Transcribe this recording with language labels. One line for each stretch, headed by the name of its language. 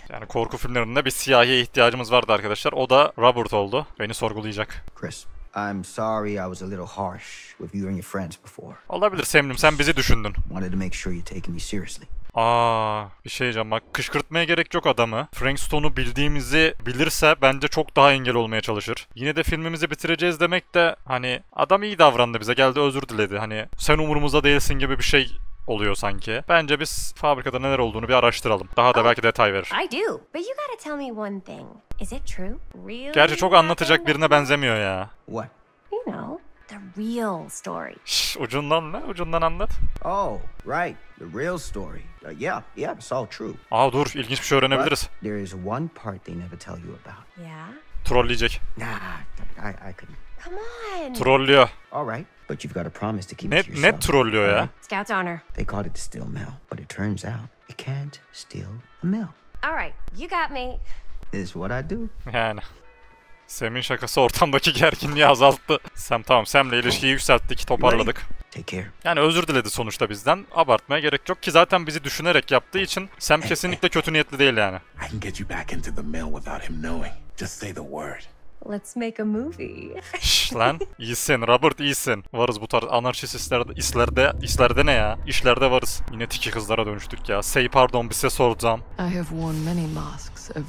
Turkish: Yani korku filmlerinde bir siyahiye ihtiyacımız vardı arkadaşlar. O da Robert oldu. Beni sorgulayacak.
English: Chris, I'm sorry I was a little harsh with you and your friends before.
Turkish: Olabilir Sam'cim, sen bizi düşündün.
English: Wanted to make sure you take me seriously.
Turkish: Aa, bir şey diyeceğim bak, kışkırtmaya gerek yok adamı. Frank Stone'u bildiğimizi bilirse bence çok daha engel olmaya çalışır. Yine de filmimizi bitireceğiz demek de hani adam iyi davrandı bize, geldi özür diledi. Hani sen umurumuzda değilsin gibi bir şey oluyor sanki. Bence biz fabrikada neler olduğunu bir araştıralım. Daha da belki detay verir.
English: I do, but you gotta tell me one thing. Is it true? Really?
Turkish: Gerçi çok anlatacak birine benzemiyor ya.
English: What? You know, the real story.
Turkish: Ucundan ne? Ucundan anlat.
English: Oh, right. The real story. Yeah, it's all true.
Turkish: Aa dur, ilginç bir şey öğrenebiliriz.
English: But there is one part they never tell you about. Yeah.
Turkish: Trolleyecek.
English: Nah, I couldn't. Come on.
Turkish: Trollüyor.
English: All right. But you've got a promise to keep
Turkish: net,
English: it to yourself.
Turkish: Net trollüyor ya.
English: Scout's honor. They called it the steel mill, but it turns out it can't steal a mill. All right, you got me. Is what I do.
Turkish: Yani. Sam'in şakası ortamdaki gerginliği azalttı. Sam tamam, Sam'le ilişkiyi yükselttik, toparladık.
English: Take care.
Turkish: Yani özür diledi sonuçta bizden. Abartmaya gerek yok ki zaten bizi düşünerek yaptığı için Sam kesinlikle kötü niyetli değil yani.
English: I can get you back into the mill without him knowing. Just say the word. Let's make a movie.
Turkish: Şş lan. İyisin Robert, iyisin. Varız bu tarz anarşist işlerde ne ya? İşlerde varız. Yine tiki kızlara dönüştük ya. Say pardon, bir ses soracağım.
English: I have worn many masks over the